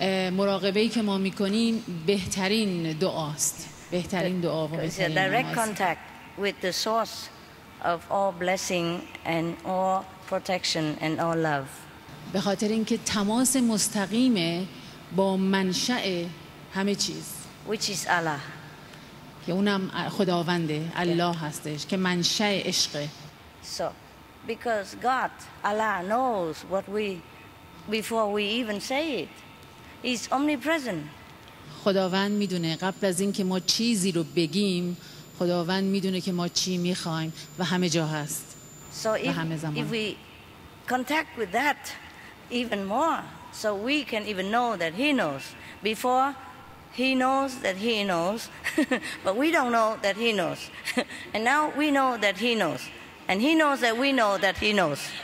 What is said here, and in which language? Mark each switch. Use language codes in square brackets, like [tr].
[fa] مراقبه‌ای که ما می‌کنیم بهترین دعاست. بهترین دعا و بهترین نماز. [en] It's a direct contact with the source of all blessing and all protection and all love. [fa] به خاطر اینکه تماس مستقیم با منشأ همه چیز. [en] Which is Allah. [fa] که اونم خداونده، الله هستش که منشأ عشقه. [en] So, because God, Allah knows what we Before we even say it, he's omnipresent. [fa] خداوند میدونه قبل از اینکه ما چیزی رو بگیم، خداوند میدونه که ما چی میخوایم و همه جا هست. [en] So if we contact with that even more, so we can even know that he knows. Before he knows that he knows, but we don't know that he knows. And now we know that he knows, and he knows that we know that he knows.